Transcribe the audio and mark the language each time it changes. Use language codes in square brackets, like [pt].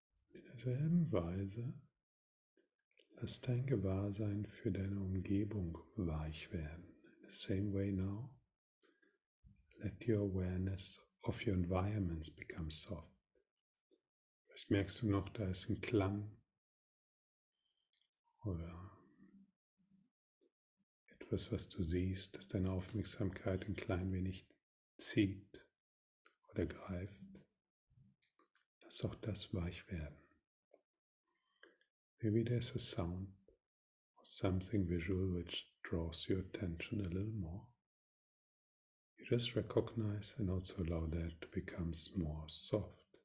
[de] In derselben Weise lass dein Gewahrsein für deine Umgebung weich werden. [en] In the same way now, let your awareness of your environments become soft. [de] Vielleicht merkst du noch, da ist ein Klang oder etwas, was du siehst, das deine Aufmerksamkeit ein klein wenig zieht oder greift. Lass auch das weich werden. [en] Maybe there's a sound or something visual which draws your attention a little more. You just recognize and also allow that to become more soft.